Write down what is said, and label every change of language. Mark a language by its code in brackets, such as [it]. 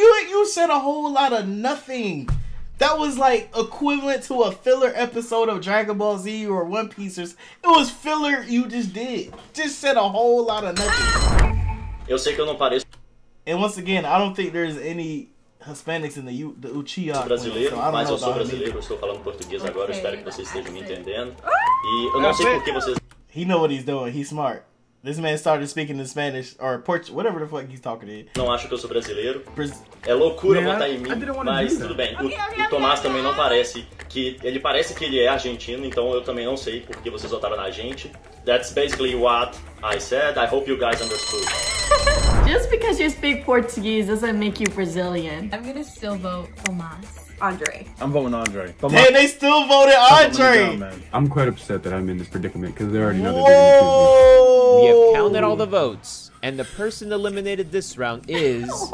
[en] You said a whole lot of nothing. That was like equivalent to a filler episode of Dragon Ball Z or One Piece. It was filler you just did. Just said a whole lot of nothing. [pt] Eu sei que eu não pareço. [en] And once again, I don't think there's any Hispanics in the Uchiha. [pt] Sou brasileiro, [en] so [pt] mas eu sou brasileiro, estou falando português agora, okay, espero que vocês estejam me entendendo. E eu não sei por que vocês... [en] He know what he's doing, he's smart. This man started speaking in Spanish, or Portuguese, whatever the fuck he's talking in. [pt] Não acho que eu sou brasileiro. É loucura votar em mim, mas tudo bem. O Tomás também não parece que... Ele parece que ele é argentino, então eu também não sei por que vocês votaram na gente. [en] That's basically what I said. I hope you guys understood. Just because you speak Portuguese doesn't make you Brazilian. I'm gonna still vote Tomas. Andre. I'm voting Andre. Tomas. Damn, they still voted Andre! I'm quite upset that I'm in this predicament because there are another two. We have counted all the votes, and the person eliminated this round is...